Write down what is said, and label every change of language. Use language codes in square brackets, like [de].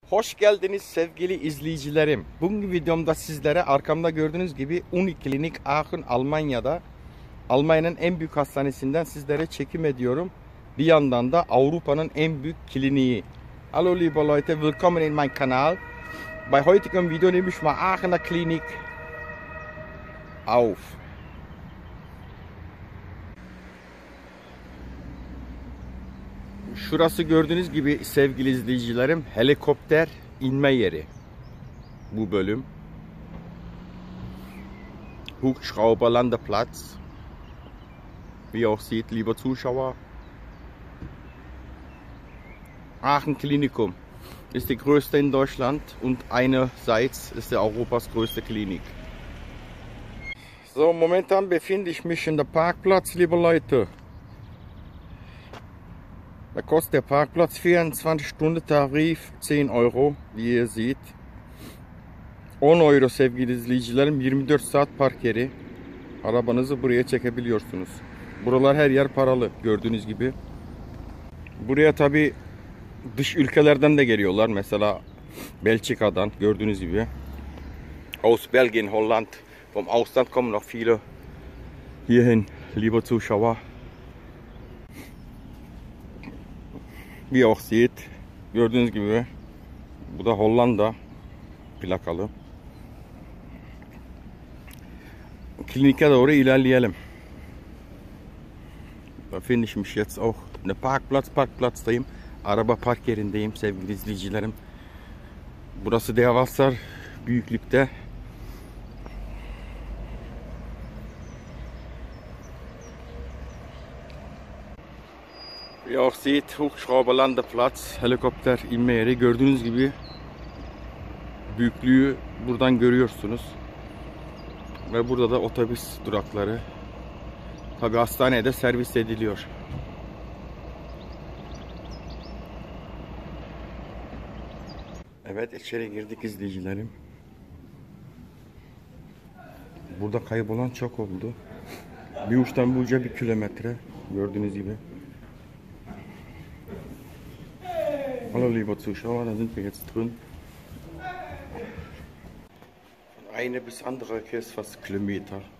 [tr] Hoş geldiniz sevgili izleyicilerim. Bugün videomda sizlere arkamda gördüğünüz gibi Uniklinik Aachen Almanya'da, Almanya'nın en büyük hastanesinden sizlere çekim ediyorum. Bir yandan da Avrupa'nın en büyük kliniği. [de] Hallo liebe Leute, willkommen in mein Kanal. Bei heutigem Video nehme ich mal Aachener Klinik auf. [tr] Şurası gördüğünüz gibi sevgili izleyicilerim helikopter inme yeri. Bu bölüm. [de] Hubschrauber Landeplatz. Wie auch sieht, lieber Zuschauer. Aachen Klinikum ist die größte in Deutschland und einerseits ist der Europas größte Klinik. So, momentan befinde ich mich in der Parkplatz, liebe Leute. Da kostet der Parkplatz 24-Stunden-Tarif 10 Euro, wie ihr seht. [tr] 10 Euro sevgili izleyicilerim, 24 saat park yeri. Arabanızı buraya çekebiliyorsunuz. Buralar her yer paralı, gördüğünüz gibi. Buraya tabi dış ülkelerden de geliyorlar. Mesela Belçika'dan, gördüğünüz gibi. [de] Aus Belgien, Holland. Vom Ausland kommen noch viele hierhin, liebe Zuschauer. Wie auch sieht, [tr] gördüğünüz gibi bu da Hollanda plakalı. Klinike doğru ilerleyelim. [de] Da finde ich mich jetzt auch in der Parkplatz, [tr] Parkplatz'tayım. Araba park yerindeyim sevgili izleyicilerim. Burası devasa büyüklükte. [de] Wie auch sieht, Hubschrauber Landeplatz, [tr] helikopter inme yeri. Gördüğünüz gibi büyüklüğü buradan görüyorsunuz. Ve burada da otobüs durakları. Tabi hastanede servis ediliyor. Evet, içeri girdik izleyicilerim. Burada kaybolan çok oldu. Bir uçtan bu uca bir kilometre. Gördüğünüz gibi. [de] Hallo lieber Zuschauer, da sind wir jetzt drin. Von einer bis andere Kirche ist fast Kilometer.